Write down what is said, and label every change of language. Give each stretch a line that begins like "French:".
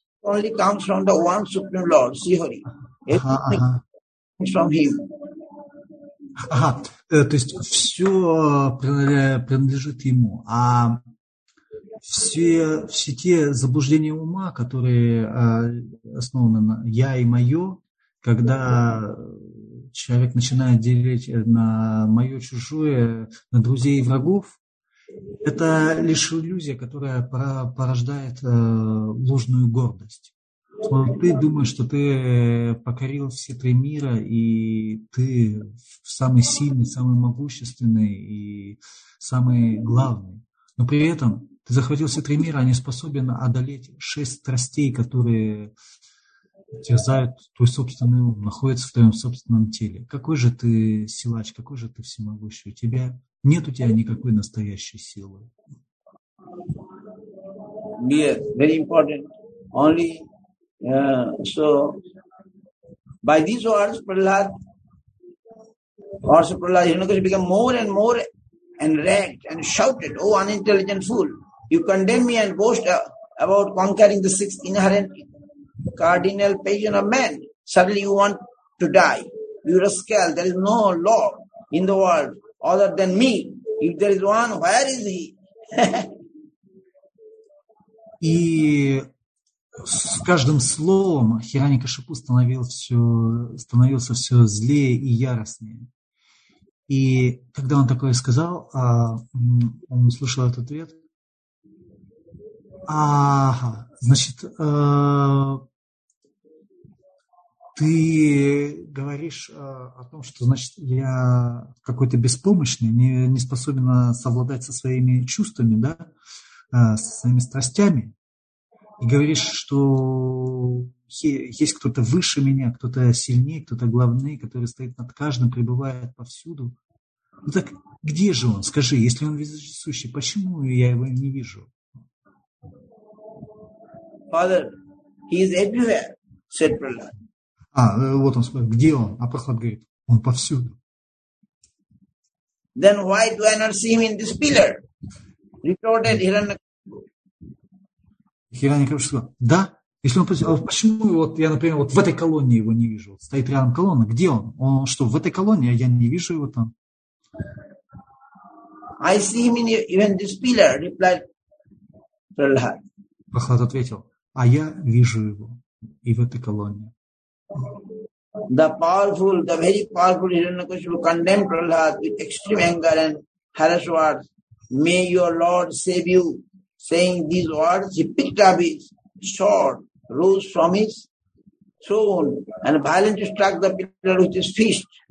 English: Only comes from the one Supreme Lord, Srihari. From him.
Russian: То есть все принадлежит ему, а все те заблуждения ума, которые основаны на я и мое, когда человек начинает делить на мое чужое, на друзей и врагов, это лишь иллюзия, которая порождает ложную гордость. Вот ты думаешь, что ты покорил все три мира, и ты самый сильный, самый могущественный и самый главный. Но при этом ты захватил все три мира, а не способен одолеть шесть страстей, которые терзают твой собственный ум, находятся в твоем собственном теле. Какой же ты силач, какой же ты всемогущий? Нет у тебя никакой настоящей силы.
English: Yes, very important. Only so by these words, Prahlad, Hiranyakashipu became more and more enraged and shouted, "Oh, unintelligent fool! You condemn me and boast about conquering the six inherent cardinal passions of man. Suddenly, you want to die. You rascal! There is no law in the world other than me. If there is one, where is he?"
Russian: И с каждым словом Хиранья-Кашипу становился все злее и яростнее. И когда он такое сказал, он услышал этот ответ. Ага, значит, ты говоришь о том, что, значит, я какой-то беспомощный, не способен совладать со своими чувствами, да, со своими страстями. И говоришь, что есть кто-то выше меня, кто-то сильнее, кто-то главный, который стоит над каждым, пребывает повсюду. Ну так где же он? Скажи, если он вездесущий, почему я его не вижу?
English: Father, he is everywhere, said Prahlad.
Russian: А, вот он спрашивает, где он? А Прохлад говорит, он повсюду.
English: Then why do I not see him in this pillar? Retorted Hiranyakashipu.
Russian: Hiranyakashipu сказал, да? Если он повсюду, а почему вот я, например, вот в этой колонии его не вижу? Вот стоит рядом колонна, где он? Он что, в этой колонии, а я не вижу его там?
English: I see him in this pillar, replied Prahlad.
Russian: Прохлад ответил, а я вижу его и в этой колонии.
English: The powerful, the very powerful Hiranyakashipu condemned Prahlad with extreme anger and harsh words. May your Lord save you. Saying these words, he picked up his sword, rose from his throne, and violently struck the pillar with his fist.